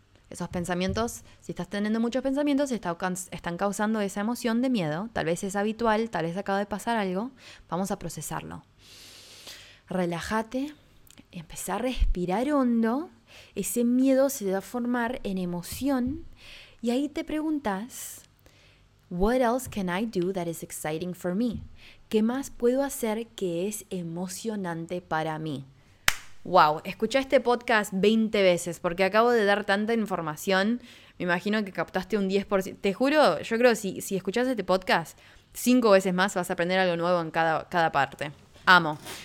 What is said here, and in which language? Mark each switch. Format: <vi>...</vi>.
<es>Esos pensamientos, si estás teniendo muchos pensamientos, están causando esa emoción de miedo. Tal vez es habitual, tal vez acaba de pasar algo. Vamos a procesarlo. Relájate, empezá a respirar hondo. Ese miedo se va a formar en emoción. Y ahí te preguntas,</es> <en>what else can I do that is exciting for me?</en> <es>¿Qué más puedo hacer que es emocionante para mí? ¡Wow! Escuché este podcast 20 veces porque acabo de dar tanta información. Me imagino que captaste un 10%. Te juro, yo creo que si escuchas este podcast 5 veces más vas a aprender algo nuevo en cada parte. ¡Amo!</es>